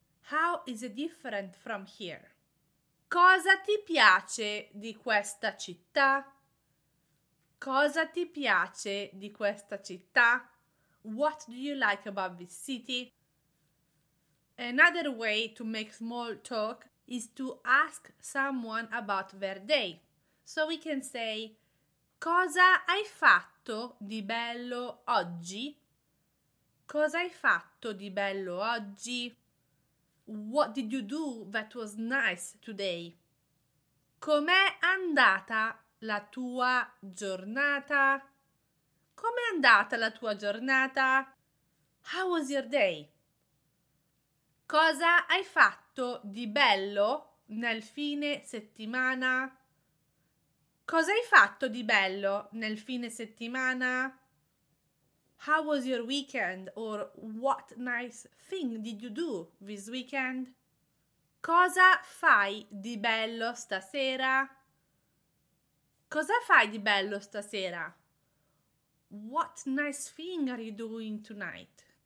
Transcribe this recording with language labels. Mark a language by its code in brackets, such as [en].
[en] How is it different from here? [it] Cosa ti piace di questa città? Cosa ti piace di questa città? [en] What do you like about this city? Another way to make small talk is to ask someone about their day. So we can say, [it] cosa hai fatto di bello oggi? Cosa hai fatto di bello oggi? [en] What did you do that was nice today? [it] Com'è andata la tua giornata? Com'è andata la tua giornata? [en] How was your day? [it] Cosa hai fatto di bello nel fine settimana? Cosa hai fatto di bello nel fine settimana? [en] How was your weekend? Or what nice thing did you do this weekend? [it] Cosa fai di bello stasera? Cosa fai di bello stasera? [en] What nice thing are you doing tonight?